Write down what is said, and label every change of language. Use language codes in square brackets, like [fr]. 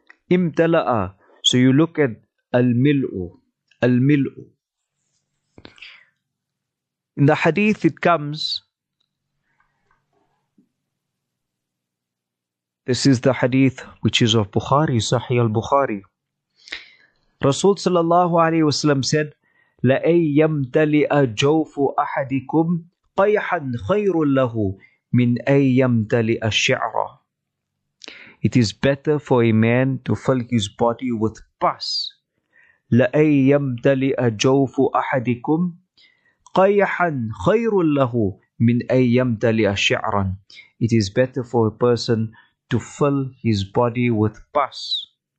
[en] Imtala'a, so you look at al mil'u. In the hadith it comes, this is the hadith which is of Bukhari, Sahih al-Bukhari. [ar] Rasul sallallahu alayhi wa sallam said, لَأَيْ يَمْتَلِئَ جَوْفُ أَحَدِكُمْ قَيْحًا خَيْرٌ لَهُ مِنْ أَيْ يَمْتَلِئَ الشِّعْرَ. [en] It is better for a man to fill his body with pus. [ar] لَأَيْ يَمْتَلِئَ جَوْفُ أَحَدِكُمْ قَيْحًا خَيْرٌ لَهُ مِنْ أَيْ يَمْتَلِئَ شِعْرًا. [en] It is better for a person to fill his body with pus.